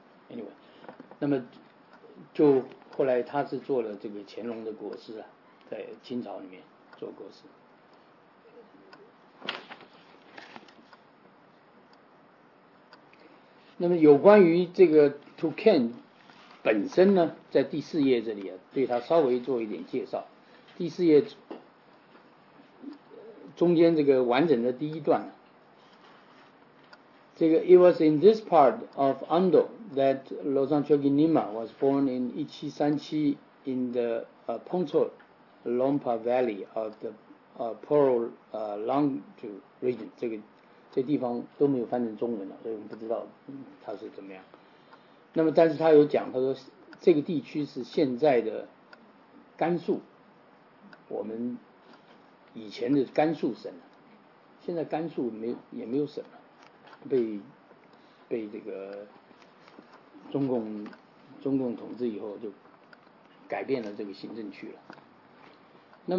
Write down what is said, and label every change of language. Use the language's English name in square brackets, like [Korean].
[Chinese] Anyway， 那么就后来他是做了这个乾隆的国师啊，在清朝里面做国师。那么有关于这个 Tukan 本身呢，在第四页这里啊，对他稍微做一点介绍。第四页中间这个完整的第一段，这个 [English] It was in this part of Ando that Lo San Chö Kin Nima was born in 1737 in the Pongcho Lompa Valley of the Poro Langju region. [Chinese] 这个这地方都没有翻成中文了，所以我们不知道它是怎么样。那么但是他有讲，他说这个地区是现在的甘肃，我们以前的甘肃省，现在甘肃没有，也没有省了，被这个中共统治以后就改变了这个行政区了。